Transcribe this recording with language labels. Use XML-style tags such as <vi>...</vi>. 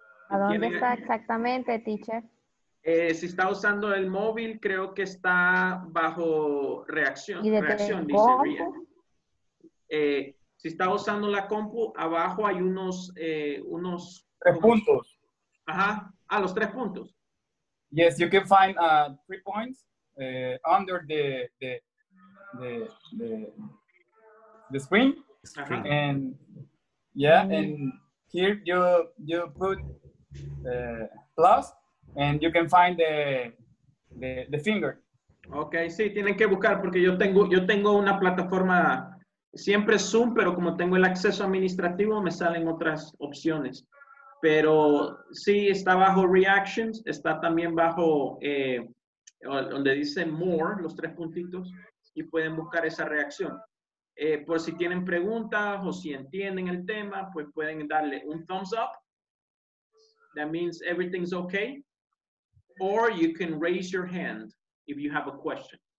<es>¿A dónde está exactamente, teacher? Si está usando el móvil, creo que está bajo reacción. ¿Y de reacción, dice Ria. Si está usando la compu, abajo hay unos 3 puntos. Ajá. Ah, los 3 puntos.</es> <en>Yes, you can find 3 points under the screen. Uh-huh. And yeah, mm-hmm. And here you put plus, and you can find the finger.</en> <es>Okay, sí, tienen que buscar porque yo tengo una plataforma siempre Zoom, pero como tengo el acceso administrativo me salen otras opciones. Pero sí, está bajo reactions, está también bajo donde dice more, los 3 puntitos, y pueden buscar esa reacción. Por si tienen preguntas o si entienden el tema, pues pueden darle un thumbs up.</es> <en>That means everything's okay. Or you can raise your hand if you have a question.</en>